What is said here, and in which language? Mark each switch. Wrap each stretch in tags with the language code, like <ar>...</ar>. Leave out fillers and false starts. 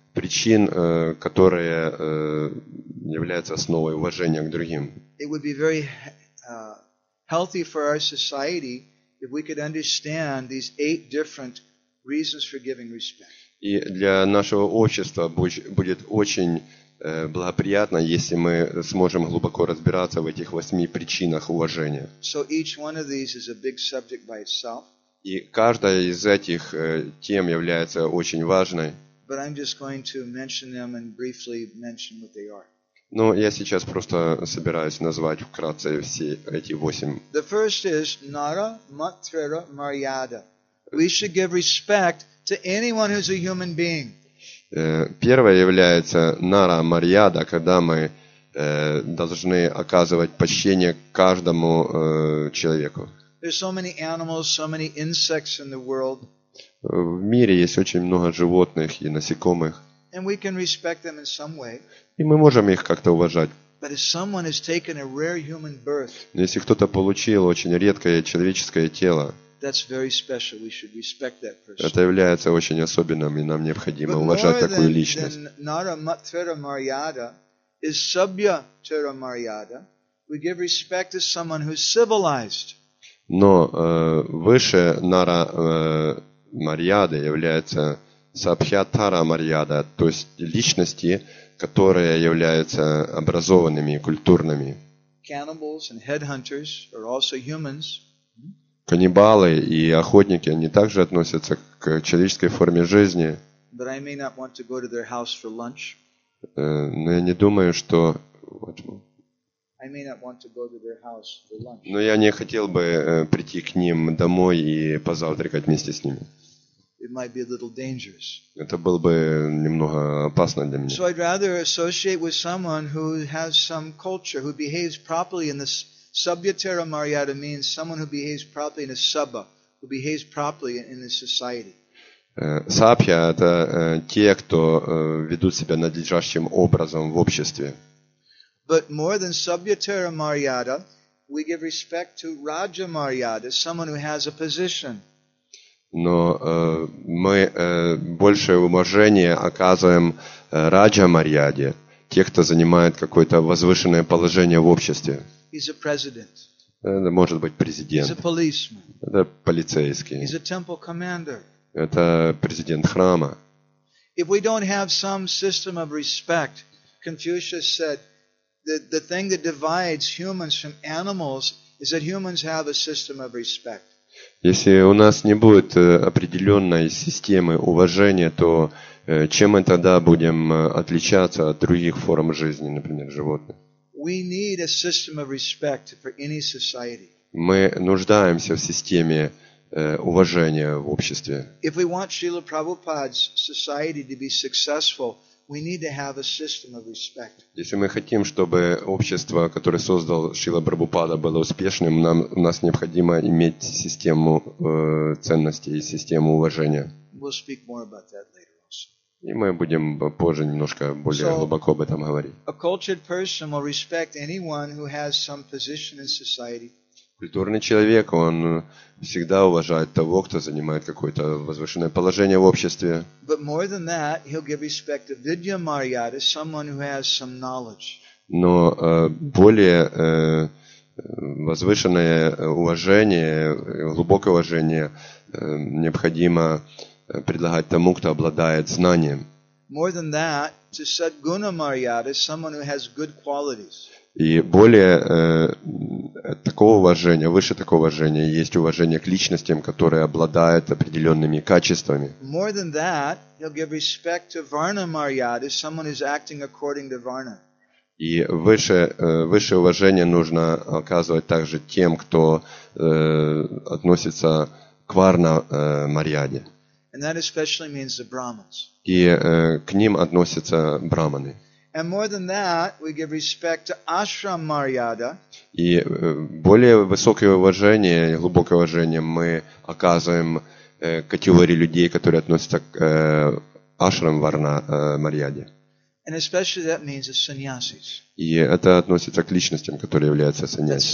<ru>причин, которые являются основой уважения к другим.</ru> <en>It would be very healthy for our society if we could understand these eight different reasons for giving respect.</en> <ru>И для нашего общества будет очень благоприятно, если мы сможем глубоко разбираться в этих восьми причинах уважения.</ru> <en>So each one of these is a big subject by itself.</en> <ru>И каждая из этих тем является очень важной.</ru> <en>But I'm just going to mention them and briefly mention what they are.</en> <ru>Но я сейчас просто собираюсь назвать вкратце все эти восемь.</ru> <en>The first is nara matrera maryada. We should give respect to anyone who's a human being.</en> <ru>Первое является nara maryada, когда мы должны оказывать почтение каждому человеку.</ru> <en>There's so many animals, so many insects in the world.</en> <ru>В мире есть очень много животных и насекомых.</ru> <en>And we can respect them in some way.</en> <ru>И мы можем их как-то уважать.</ru> <en>But if someone has taken a rare human birth,</en> <ru>если кто-то получил очень редкое человеческое тело,</ru> <en>that's very special. We should respect that person.</en> <ru>Это является очень особенным, и нам необходимо уважать такую личность.</ru> <en>But more than nara matrera maryada is sabhya tera maryada. We give respect to someone who's civilized.</en> <ru>Но выше нара марьяды является сабхьятара марьяда, то есть личности, которые являются образованными и культурными.</ru> <en>Cannibals and headhunters are also humans.</en> <ru>Каннибалы и охотники, они также относятся к человеческой форме жизни.</ru> <en>But I may not want to go to their house for lunch.</en> <ru>Но я не думаю, что...</ru> <en>I may not want to go to their house for lunch.</en> <ru>Но я не хотел бы прийти к ним домой и позавтракать вместе с ними.</ru> <en>It might be a little dangerous.</en> <ru>Это было бы немного опасно для меня.</ru> <en>So I'd rather associate with someone who has some culture, who behaves properly in the sabhyatara maryada means someone who behaves properly in a sabha, who behaves properly in the society.</en> <ru>Сабхья – это те, кто ведут себя надлежащим образом в обществе.</ru> <en>But more than sabhyatara maryada, we give respect to raja maryada, someone who has a position.</en> <ru>Но мы большее уважение оказываем раджа марьяде, те, кто занимает какое-то возвышенное положение в обществе.</ru> <en>He's a president.</en> <ru>Это может быть президент.</ru> <en>He's a policeman.</en> <ru>Это полицейский.</ru> <en>He's a temple commander.</en> <ru>Это президент храма.</ru> <en>If we don't have some system of respect, Confucius said, The thing that divides humans from animals is that humans have a system of respect.</en> <ru>Если у нас не будет определенной системы уважения, то чем мы тогда будем отличаться от других форм жизни, например, животных?</ru> <en>We need a system of respect for any society.</en> <ru>Мы нуждаемся в системе уважения в обществе.</ru> <en>If we want Srila Prabhupada's society to be successful, we need to have a system of respect.</en> <ru>Если мы хотим, чтобы общество, которое создал Шрила Прабхупада, было успешным, у нас необходимо иметь систему ценностей и систему уважения.</ru> <en>We'll speak more about that later also.</en> <ru>И мы будем позже немножко более глубоко об этом говорить.</ru> <en>A cultured person will respect anyone who has some position in society.</en> <ru>Культурный человек, он всегда уважает того, кто занимает какое-то возвышенное положение в обществе.</ru> <en>But more than that, he'll give respect to vidya maryada, someone who has some knowledge.</en> <ru>Но более возвышенное уважение, глубокое уважение необходимо предлагать тому, кто обладает знанием.</ru> <en>More than that, to sadguna maryada, someone who has good qualities.</en> <ru>И более такого уважения, выше такого уважения, есть уважение к личностям, которые обладают определенными качествами.</ru> <en>More than that, he'll give respect to varna maryada, someone who's acting according to varna.</en> <ru>И выше уважение нужно оказывать также тем, кто относится к варна марьяде.</ru> <en>And that especially means the brahmins.</en> <ru>И к ним относятся брахманы.</ru> <en>And more than that, we give respect to ashram maryada.</en> <ru>И более высокое уважение, глубокое уважение мы оказываем категории людей, которые относятся к ашрам варна марьяде.</ru> <en>And especially that means the sannyasis.</en> <ru>И это относится к личностям, которые являются саньяси.</ru>